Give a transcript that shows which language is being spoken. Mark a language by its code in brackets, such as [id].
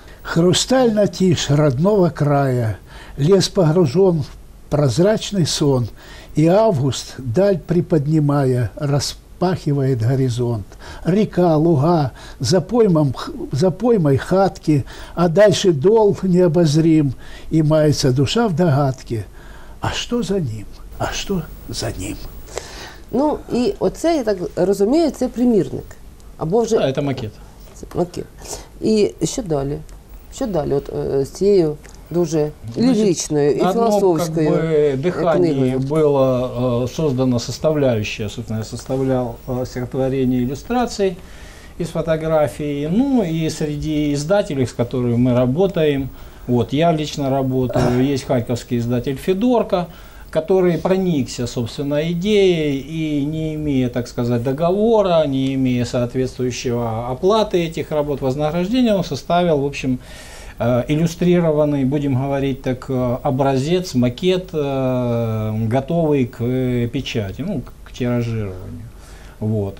[ru] Хрустальна тиша родного края, лес погружен в прозрачный сон, и август, даль приподнимая, распахивает горизонт. Река, луга, за поймой хатки, а дальше дол необозрим, и мается душа в догадке. А что за ним? А что за ним? [uk] Ну, и оце, я так розумію, це примірник. Або вже... [ru] А, это макет. [uk] Це макет. [ru] И еще далее. [uk] Що далі от, з цією дуже ліричною і філософською книгою? [ru] Одно, как бы, дыхание было создано составляющее, собственно, я составлял стихотворение иллюстраций из фотографий. Ну, и среди издателей, с которыми мы работаем, вот, я лично работаю, есть харьковский издатель «Федорка», который проникся, собственно, идеей и, не имея, так сказать, договора, не имея соответствующего оплаты этих работ, вознаграждения, он составил, в общем, иллюстрированный, будем говорить так, образец, макет, готовый к печати, ну, к тиражированию. Вот.